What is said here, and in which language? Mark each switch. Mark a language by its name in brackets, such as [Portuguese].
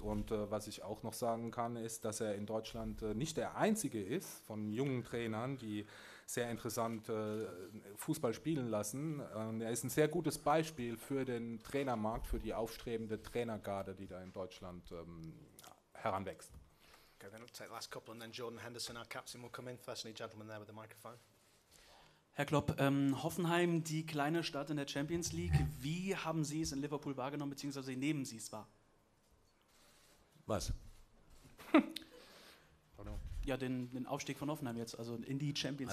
[German] Und was ich auch noch sagen kann, ist, dass er in Deutschland nicht der einzige ist von jungen Trainern, die sehr interessant Fußball spielen lassen. Und er ist ein sehr gutes Beispiel für den Trainermarkt, für die aufstrebende Trainergarde, die da in Deutschland heranwächst. [English] Okay, then we'll take the last couple and then Jordan Henderson, our captain, will come in. Firstly, gentleman there with the microphone. [German] Herr Klopp, Hoffenheim, die kleine Stadt in der Champions League, wie haben Sie es in Liverpool wahrgenommen, beziehungsweise nehmen Sie es wahr? Was? Ja, den Aufstieg von Hoffenheim jetzt, also in die Champions